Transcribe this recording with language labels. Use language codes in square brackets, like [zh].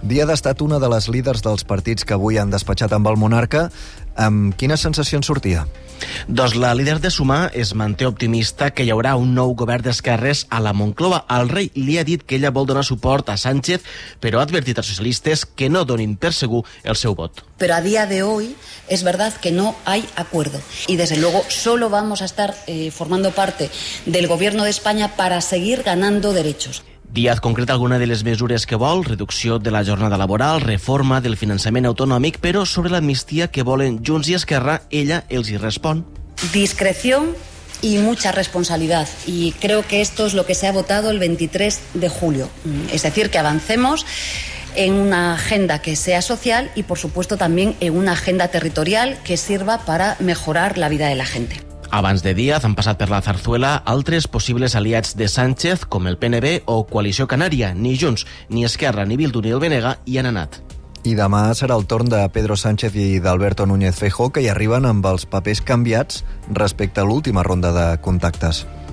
[ca] Díaz ha estat una de les líders dels partits que avui han despatxat amb el monarca. Amb quina sensació en sortia? Doncs la líder de Sumar es manté optimista que hi haurà un nou govern d'esquerres a la Moncloa. El rei li ha dit que ella vol donar suport a Sánchez, però ha advertit als socialistes que no donin per segur el seu vot. [es] Pero a día de hoy es verdad que no hay acuerdo. Y desde luego solo vamos a estar formando parte del gobierno de España para seguir ganando derechos. [ca] Díaz concreta alguna de les mesures que vol: reducció de la jornada laboral, reforma del finançament autonòmic, però sobre l'amnistia que volen Junts i Esquerra, ella els hi respon. [es] Discreción y mucha responsabilidad. Y creo que esto es lo que se ha votado el 23 de julio. Es decir, que avancemos en una agenda que sea social y, por supuesto, también en una agenda territorial que sirva para mejorar la vida de la gente. [ca] Abans de Díaz han passat per la Zarzuela altres possibles aliats de Sánchez, com el PNB o Coalició Canària. Ni Junts, ni Esquerra, ni Bildu, ni el BNG hi han anat. I demà serà el torn de Pedro Sánchez i d'Alberto Núñez Feijóo, que hi arriben amb els papers canviats respecte a l'última ronda de contactes.